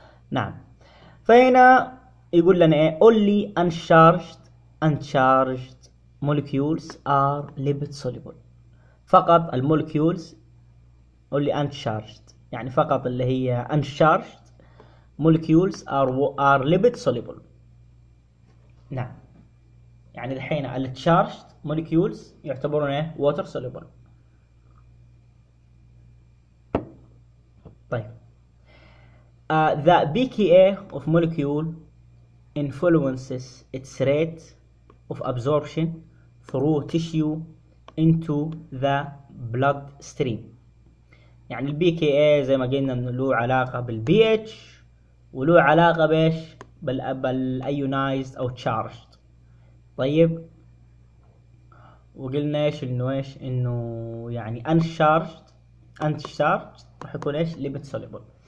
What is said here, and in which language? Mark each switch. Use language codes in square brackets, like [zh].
[ar] نعم فهنا يقول لنا ايه [en] only uncharged uncharged molecules are lipid soluble، [ar] فقط المولكيولز [en] only uncharged [ar] يعني فقط اللي هي [en] uncharged molecules are lipid soluble. [ar] نعم يعني الحين التشارجد مولكيولز يعتبرون ايه ووتر سوليبل. [en] طيب the pKa of molecule influences its rate of absorption through tissue into the blood stream. [ar] يعني البي كي اي زي ما قلنا انه له علاقه بالبي اتش وله علاقه بايش بالايونايزد او تشارجد. طيب وقلنا ايش انه ايش انه يعني انشارجد انشارجد راح يكون ايش ليبيد سوليبل.